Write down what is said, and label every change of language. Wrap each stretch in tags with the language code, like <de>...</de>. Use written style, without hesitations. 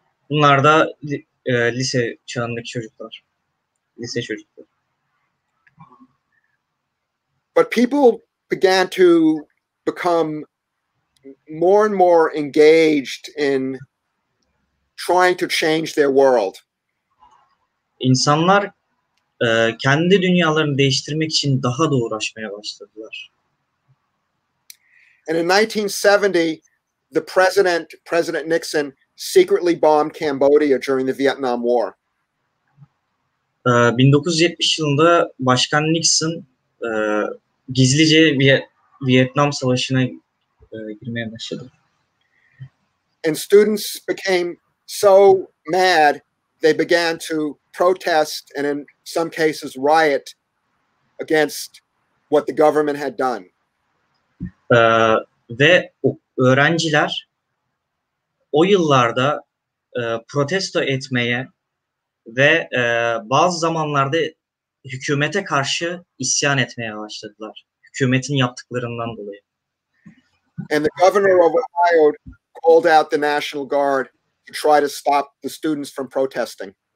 <tr>Bunlar da lise çağındaki çocuklar. Lise çocukları.</tr> <en>But people began to become more and more engaged in trying to change their world.</en> <tr>İnsanlar kendi dünyalarını değiştirmek için daha da uğraşmaya başladılar.</tr> <en>And in 1970, the President Nixon secretly bombed Cambodia during the Vietnam War.</en> <tr>1970 yılında Başkan Nixon gizlice Vietnam Savaşı'na girmeye başladı.</tr> <en>And students became so mad they began to protest and in some cases riot against what the government had done.</en> <tr>Ve öğrenciler o yıllarda protesto etmeye ve bazı zamanlarda hükümete karşı isyan etmeye başladılar. Hükümetin yaptıklarından dolayı.</tr> <en>And the governor of Ohio called out the National Guard to try to stop the students from protesting.</en>